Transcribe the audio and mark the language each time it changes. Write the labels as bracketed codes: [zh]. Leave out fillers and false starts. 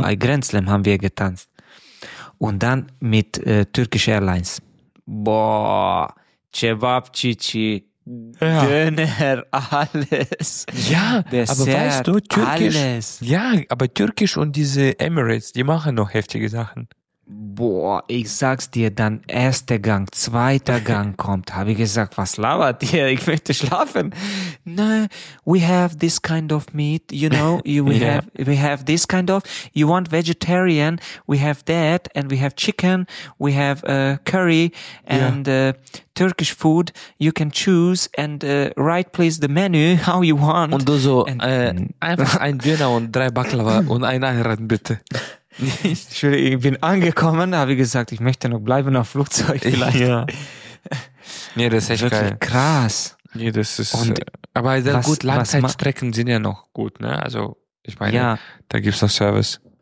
[de] Bei Grenzlem haben wir getanzt. Und dann mit Turkish Airlines. Boah, Cevapcici, Ja. Döner, alles. Ja, Dessert, aber weißt du, Türkisch, alles. Ja, aber Türkisch und diese Emirates, die machen noch heftige Sachen. Boah, ich sag's dir, dann erster Gang, zweiter Gang kommt. Habe ich gesagt, was labert ihr? Ich möchte schlafen. [en] No, we have this kind of meat, you know. We have this kind of. You want vegetarian? We have that, and we have chicken. We have curry and Turkish food. You can choose and write please the menu how you want. [de] Und du so and, einfach ein Döner und drei Baklava und ein Einheiten bitte. Ich bin angekommen, habe gesagt, ich möchte noch bleiben auf Flugzeug vielleicht. Ja. Nee, das ist echt wirklich geil. Krass. Nee, das ist, aber sehr was, gut, Langzeitstrecken sind ja noch gut, ne? Also, ich meine, ja, da gibt's noch Service.